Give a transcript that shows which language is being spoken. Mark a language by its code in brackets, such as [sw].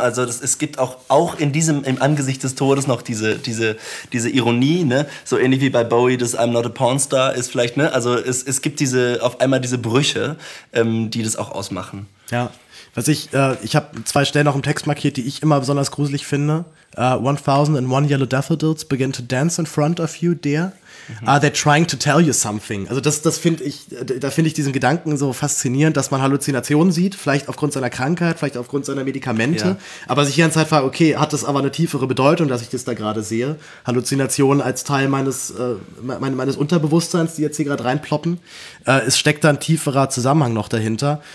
[de] Also es gibt auch in diesem, im Angesicht des Todes noch diese Ironie, ne? So ähnlich wie bei Bowie, das [en] I'm not a pornstar [de] ist vielleicht, ne? Also es gibt diese, auf einmal diese Brüche, die das auch ausmachen. Ja, was ich habe zwei Stellen noch im Text markiert, die ich immer besonders gruselig finde. [en] 1001 yellow daffodils begin to dance in front of you, dear. They're trying to tell you something. [de] Also das finde ich, da finde ich diesen Gedanken so faszinierend, dass man Halluzinationen sieht, vielleicht aufgrund seiner Krankheit, vielleicht aufgrund seiner Medikamente, aber sich die ganze Zeit fragt, okay, hat das aber eine tiefere Bedeutung, dass ich das da gerade sehe? Halluzinationen als Teil meines Unterbewusstseins, die jetzt hier gerade reinploppen, es steckt da ein tieferer Zusammenhang noch dahinter.